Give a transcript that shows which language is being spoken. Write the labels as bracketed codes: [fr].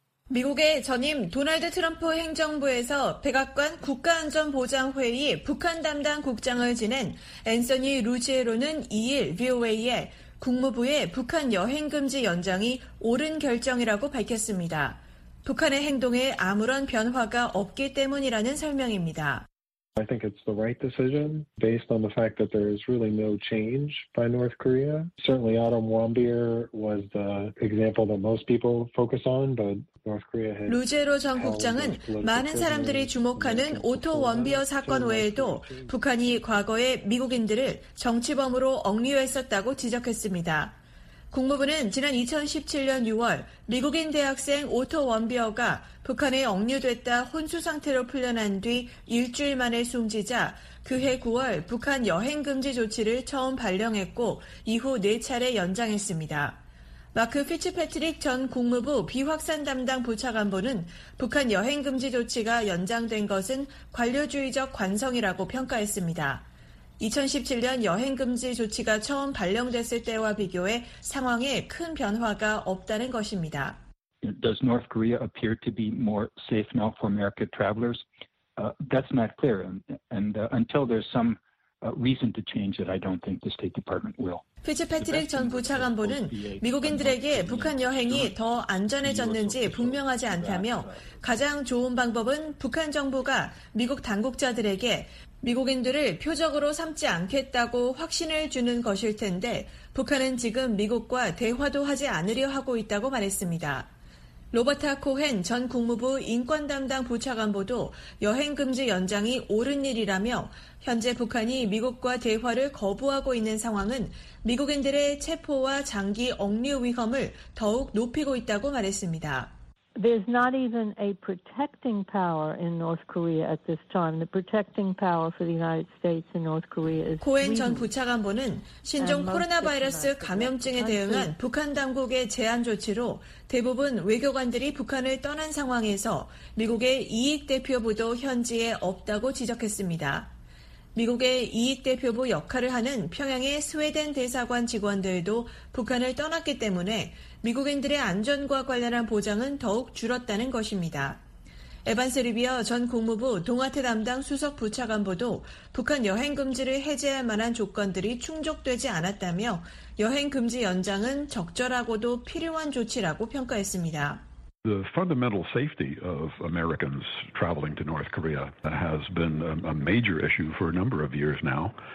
[ko] 미국의 전임 도널드 트럼프 행정부에서 백악관 국가안전보장회의 북한 담당 국장을 지낸 앤서니 루지에로는 2일 VOA에 국무부의 북한 여행 금지 연장이 옳은 결정이라고 밝혔습니다. 북한의 행동에 아무런 변화가 없기 때문이라는 설명입니다. [en] I think it's the right decision based on the fact that there is really no change by North Korea. Certainly Autumn Wambir was the example that most people focus on, but [ko] 루제로 전 국장은 많은 사람들이 주목하는 오토 원비어 사건 외에도 북한이 과거에 미국인들을 정치범으로 억류했었다고 지적했습니다. 국무부는 지난 2017년 6월 미국인 대학생 오토 원비어가 북한에 억류됐다 혼수 상태로 풀려난 뒤 일주일 만에 숨지자 그해 9월 북한 여행 금지 조치를 처음 발령했고 이후 4차례 연장했습니다. 마크 피츠패트릭 전 국무부 비확산 담당 부차관보는 북한 여행 금지 조치가 연장된 것은 관료주의적 관성이라고 평가했습니다. 2017년 여행 금지 조치가 처음 발령됐을 때와 비교해 상황에 큰 변화가 없다는 것입니다. [en] Does North Korea appear to be more safe now for American travelers? That's not clear. And until there's some reason to change it, I don't think the State Department will. [ko] 피츠패트릭 전 부차관보는 미국인들에게 북한 여행이 더 안전해졌는지 분명하지 않다며 가장 좋은 방법은 북한 정부가 미국 당국자들에게 미국인들을 표적으로 삼지 않겠다고 확신을 주는 것일 텐데 북한은 지금 미국과 대화도 하지 않으려 하고 있다고 말했습니다. 로버타 코헨 전 국무부 인권 담당 부차관보도 여행 금지 연장이 옳은 일이라며 현재 북한이 미국과 대화를 거부하고 있는 상황은 미국인들의 체포와 장기 억류 위험을 더욱 높이고 있다고 말했습니다. [en] There's not even a protecting power in North Korea at this time. The protecting power for the United States in North Korea is. [ko] 코헨 전 부차관보는 신종 코로나 바이러스 감염증에 대응한 북한 당국의 제한 조치로 대부분 외교관들이 북한을 떠난 상황에서 미국의 이익 대표부도 현지에 없다고 지적했습니다. 미국의 이익 대표부 역할을 하는 평양의 스웨덴 대사관 직원들도 북한을 떠났기 때문에 미국인들의 안전과 관련한 보장은 더욱 줄었다는 것입니다. 에반스 리비어 전 국무부 동아태 담당 수석 부차관보도 북한 여행 금지를 해제할 만한 조건들이 충족되지 않았다며 여행 금지 연장은 적절하고도 필요한 조치라고 평가했습니다. [en] The fundamental safety of Americans traveling to North Korea has been a major issue for a number of years now.